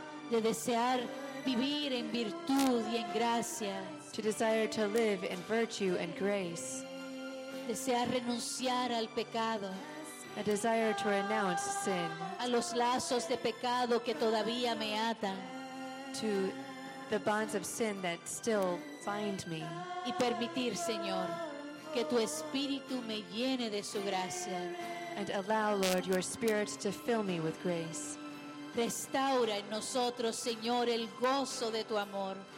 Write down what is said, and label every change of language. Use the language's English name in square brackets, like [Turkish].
[Spanish] De desear vivir en virtud y en gracia. [English] To desire to live in virtue and grace. [Spanish] Desear renunciar al pecado. [English] A desire to renounce sin. [Spanish] A los lazos de pecado que todavía me atan. [English] To the bonds of sin that still bind me. [Spanish] Y permitir, Señor, que tu espíritu me llene de su gracia. [English] And allow, Lord, your spirit to fill me with grace. [Spanish] Restaura en nosotros, Señor, el gozo de tu amor.